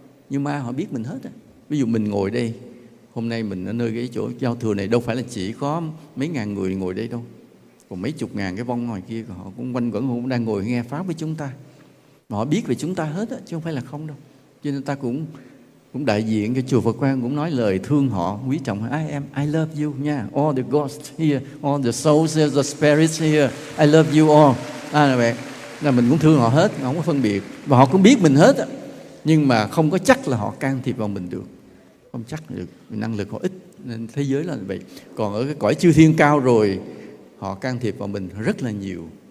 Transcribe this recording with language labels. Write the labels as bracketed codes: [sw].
[vi] Nhưng ma họ biết mình hết á. Ví dụ mình ngồi đây, hôm nay mình ở nơi cái chỗ giao thừa này đâu phải là chỉ có mấy ngàn người ngồi đây đâu. Còn mấy chục ngàn cái vong ngoài kia họ cũng quanh quẩn, cũng đang ngồi nghe pháp với chúng ta. Mà họ biết về chúng ta hết á, chứ không phải là không đâu. Cho nên ta cũng đại diện cái chùa Phật Quang cũng nói lời thương họ, quý trọng. [en] I love you nha. All the ghosts here, all the souls here, the spirits here. I love you all. [vi] Là mình cũng thương họ hết, không có phân biệt. Và họ cũng biết mình hết á. Nhưng mà không có chắc là họ can thiệp vào mình được. Không chắc được, năng lực họ ít. Nên thế giới là vậy. Còn ở cái cõi chư thiên cao rồi, họ can thiệp vào mình rất là nhiều.